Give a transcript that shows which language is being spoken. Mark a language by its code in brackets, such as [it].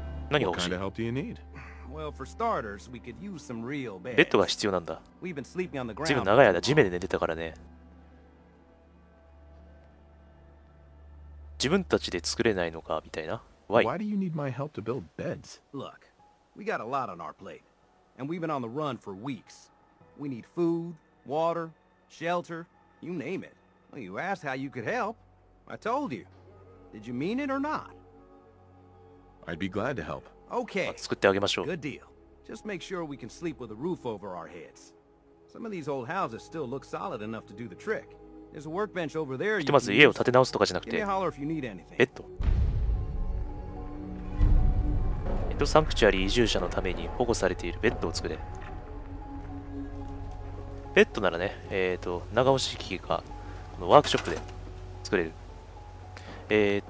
[ja] 何が欲しい？ベッドが必要なんだ。随分長い間地面で寝てたからね。自分たちで作れないのかみたいな。 [en] Why do you need my help to build beds? Look, we got a lot on our plate, and we've been on the run for weeks. We need food, water, shelter, you name it. Well, you asked how you could help. I told you. Did you mean it or not? I'd be glad to help. Okay. [ja] 作ってあげましょう。 [en] Good deal. Just make sure we can sleep with a roof over our heads. Some of these old houses still look solid enough to do the trick. There's a workbench over there. [ja] ひとまず家を建て直すとかじゃなくて、ベッド。サンクチュアリー移住者のために保護されているベッドを作れ。ベッドならね、長押し機器か、このワークショップで作れる。